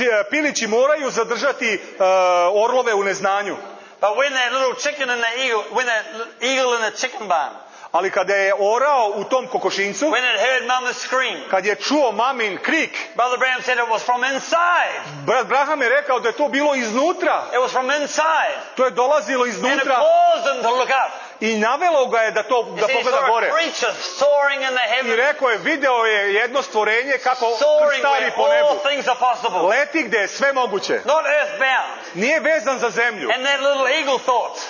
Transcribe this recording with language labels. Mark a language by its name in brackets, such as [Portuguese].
[Serbian] Pilići moraju zadržati orlove u neznanju. [English] But when that little chicken and the eagle, when that eagle in the chicken barn. [Serbian] Ali kada je orao u tom kokošincu, [English] when it heard mama's scream, [Serbian] kad je čuo mamin krik, [English] Brother Branham said it was from inside. [Serbian] Brat Branham je rekao da je to bilo iznutra. [English] It was from inside. [Serbian] To je dolazilo iznutra. [English] And it caused him to look up. [Serbian] I navelo ga je da to [English] you [Serbian] da pogleda gore. [English] Soaring in the heavens. [Serbian] I rekao je, video je jedno stvorenje kako krstari po nebu. [English] All things are possible. [Serbian] Leti gdje je sve moguće. [English] Not earthbound. [Serbian] Nije vezan za zemlju. [English] And that little eagle thought,